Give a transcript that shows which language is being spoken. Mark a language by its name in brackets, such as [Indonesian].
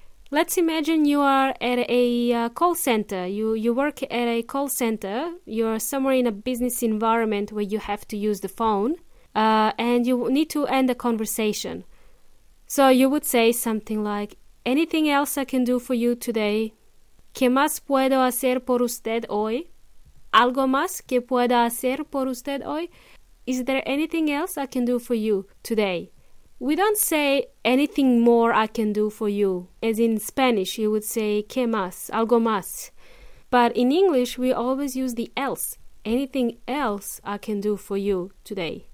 [English] Let's imagine you are at a call center. You work at a call center. You're somewhere in a business environment where you have to use the phone and you need to end a conversation. So you would say something like, anything else I can do for you today? [Spanish] ¿Qué más puedo hacer por usted hoy? ¿Algo más que pueda hacer por usted hoy? [English] Is there anything else I can do for you today? We don't say anything more I can do for you. As in Spanish, you would say [Spanish] ¿qué más? ¿Algo más? [English] But in English, we always use the else. Anything else I can do for you today.